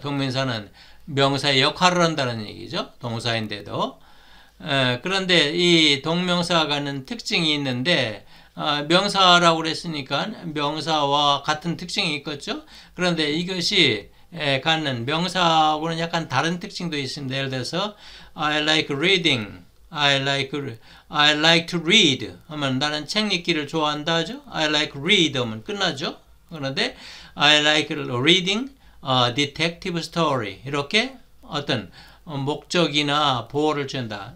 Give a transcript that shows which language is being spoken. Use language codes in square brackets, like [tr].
[ko] 동명사는 명사의 역할을 한다는 얘기죠. 동사인데도 그런데 이 동명사가 갖는 특징이 있는데 명사라고 그랬으니까 명사와 같은 특징이 있겠죠. 그런데 이것이 갖는 명사하고는 약간 다른 특징도 있습니다. 예를 들어서 [en] I like reading. I like to read. [ko] 하면 나는 책 읽기를 좋아한다죠. [en] I like read [ko] 하면 끝나죠. 그런데 [en] I like reading a detective story. [ko] 이렇게 어떤 목적이나 보호를 준다.